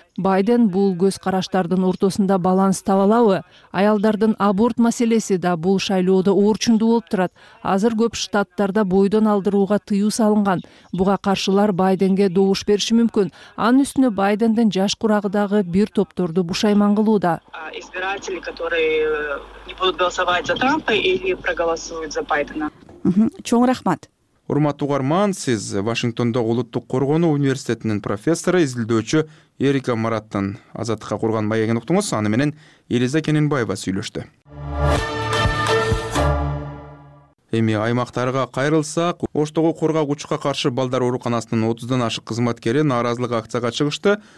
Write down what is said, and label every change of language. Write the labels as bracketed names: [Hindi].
[Kyrgyz] Байден бул көз караштардын ортосунда баланс таба алабы? Аялдардын аборт маселеси да бул шайлоодо орчундуу болуп турат. Азыр көп штаттарда бойдон алдырууга тыюу салынган. Буга каршылар Байденге добуш бериши мүмкүн. Анын үстүнө Байдендин жаш курагындагы бир топторду бушайман кылууда. [Russian] Избиратели, которые не будут голосовать за Трампа или проголосуют за Байдена. [Kyrgyz] Чоң рахмат. Урматтуу угарман, сиз Вашингтондогу Улуттук коргоонуу университетинин профессору, изилдөөчү Эрика Мараттын азаттыкка курган маегин уктуңуз. Аны менен Элиза Кененбаева сүйлөштү. Эми аймактарга кайрылсак, Оштогу кургак учукка каршы балдар ооруканасынын 30дан ашык кызматкери нааразылык акцияга чыгышты.